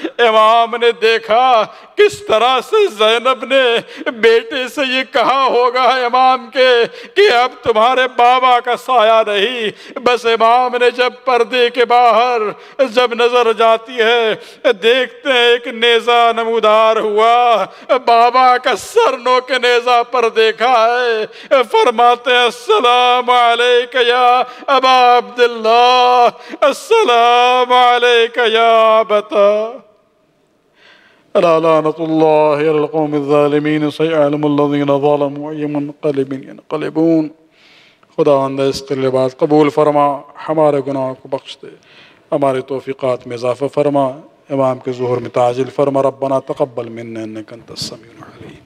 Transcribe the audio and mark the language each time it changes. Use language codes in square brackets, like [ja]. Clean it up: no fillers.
[ur] امام نے دیکھا کس طرح سے زینب نے بیٹے سے یہ کہا ہوگا امام کے کہ اب تمہارے بابا کا سایہ نہیں. بس امام نے جب پردے کے باہر جب نظر جاتی ہے دیکھتے ہیں ایک نیزہ نمودار ہوا, بابا کا سر نوک نیزہ پر دیکھا ہے. فرماتے ہیں [ar] السلام علیک یا ابا عبداللہ, السلام علیک یا ابتا لعنة الله على القوم الظالمين سيعلم الذين ظلموا أي منقلب ينقلبون. [ur] خدا اندہ اس طلبات قبول فرما, ہمارے گناہ کو بخش دے, ہماری توفیقات میں اضافہ فرما, امام کے ظہر میں تعجل فرما. [ar] ربنا تقبل منا انك انت السميع العليم.